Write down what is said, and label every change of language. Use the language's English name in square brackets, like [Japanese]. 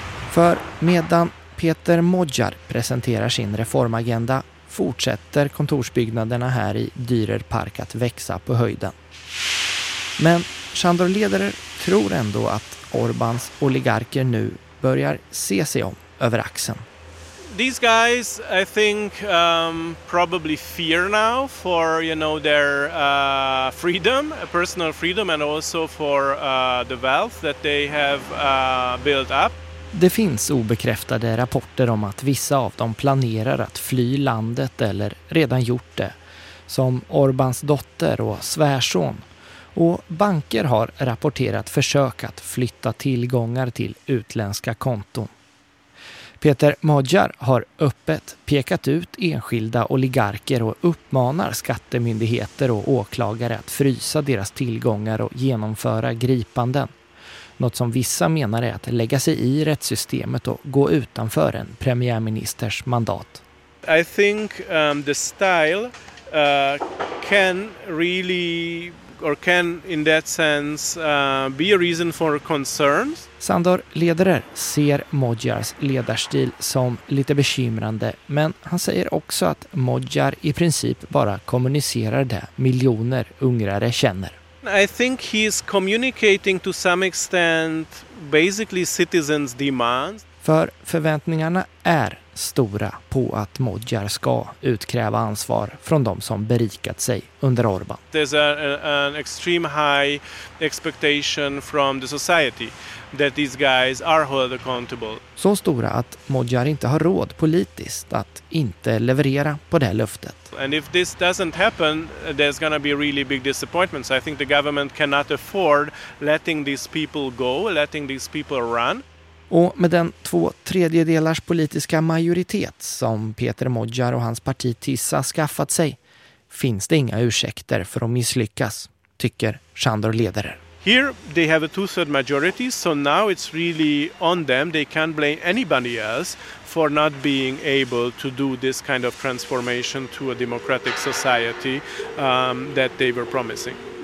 [Swedish] För medan Peter Modjar presenterar sin reformagenda fortsätter kontorsbyggnaderna här i Dürer Park att växa på höjden. Men Sándor Lederer tror ändå att Orbáns oligarker nu börjar se sig om över axeln. [English] These guys I think probably fear now for, you know, their freedom, personal freedom and also for the wealth that they have built up. [Swedish] Det finns obekräftade rapporter om att vissa av dem planerar att fly landet eller redan gjort det, som Orbáns dotter och svärson. Och banker har rapporterat försök att flytta tillgångar till utländska konton. Peter Modjar har öppet pekat ut enskilda oligarker och uppmanar skattemyndigheter och åklagare att frysa deras tillgångar och genomföra gripanden. Något som vissa menar är att lägga sig i rättssystemet och gå utanför en premiärministers mandat. [English] I think the style can really or can in that sense be a reason for concerns. [Swedish] Sándor Lederer ser Modjars ledarstil som lite bekymrande, men han säger också att Modjar i princip bara kommunicerar det miljoner ungrare känner. [English] I think he's communicating to some extent basically citizens' demands. [Swedish] För förväntningarna är stora på att Modjar ska utkräva ansvar från de som berikat sig under Orbán. [English] There's an extreme high expectation from the society that these guys are held accountable. [Swedish] Så stora att Modjar inte har råd politiskt att inte leverera på det löftet. [English] And if this doesn't happen, there's gonna be really big disappointments. I think the government cannot afford letting these people go, letting these people run. [Swedish] Och med den 2/3 politiska majoritet som Peter Modjar och hans parti Tissa skaffat sig finns det inga ursäkter för att misslyckas, tycker Sandor ledare. [English] Here they have a 2/3 majority, so now it's really on them. They can't blame anybody else for not being able to do this kind of transformation to a democratic society that they were promising.